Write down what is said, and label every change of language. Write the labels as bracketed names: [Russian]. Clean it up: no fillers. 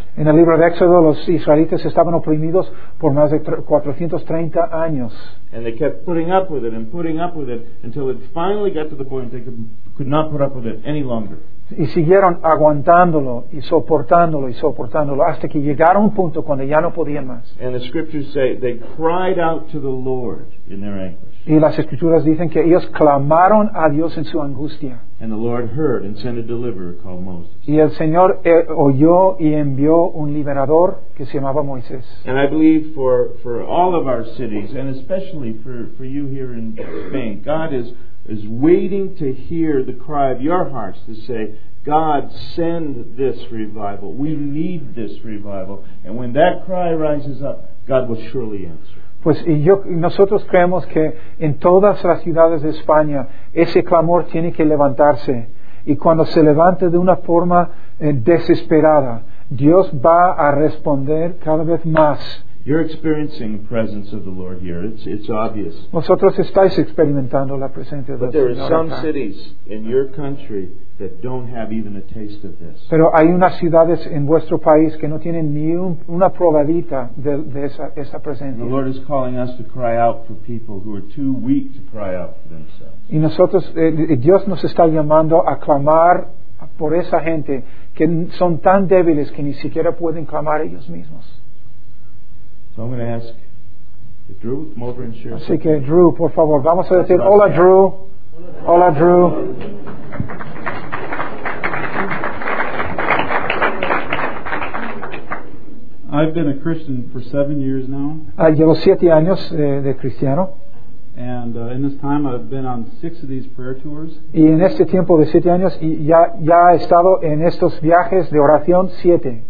[Spanish] En el libro de Éxodo, los israelitas estaban oprimidos por más de 430 años. [English] And they kept putting up with it and putting up with it until it finally got to the point they could not put up with it any longer. [Spanish] Y siguieron aguantándolo y soportándolo y soportándolo hasta que llegaron a un punto cuando ya no podían más. [English] And the scriptures say they cried out to the Lord in their anguish. [Spanish] Y las escrituras dicen que ellos clamaron a Dios en su angustia. [English] And the Lord heard and sent a deliverer called Moses. [Spanish] Y el Señor oyó y envió un liberador que se llamaba Moisés. [English] And I believe for all of our cities, and especially for you here in Spain, God is waiting to hear the cry of your hearts to say, God, send this revival. We need this revival. And when that cry rises up, God will surely answer. [Spanish] Pues nosotros creemos que en todas las ciudades de España ese clamor tiene que levantarse. Y cuando se levante de una forma desesperada, Dios va a responder cada vez más. [English] You're experiencing the presence of the Lord here. It's obvious. [Spanish] Vosotros estáis experimentando la presencia del Señor. [English] But there are some cities in your country that don't have even a taste of this. [Spanish] Pero hay unas ciudades en vuestro país que no tienen ni una probadita de esa presencia. [English] The Lord is calling us to cry out for people who are too weak to cry out for themselves. [Spanish] Y nosotros, Dios nos está llamando a clamar por esa gente que son tan débiles que ni siquiera pueden clamar ellos mismos. [English] So I'm going to ask if Drew would come over and share. [Spanish] Así que Drew, por favor, vamos a decir hola, Drew. Hola, Drew. [English] I've been a Christian for 7 years now. [Spanish] Llevo 7 años de cristiano. [English] And in this time, I've been on 6 of these prayer tours. [Spanish] Y en este tiempo de 7 años, ya he estado en estos viajes de oración 6.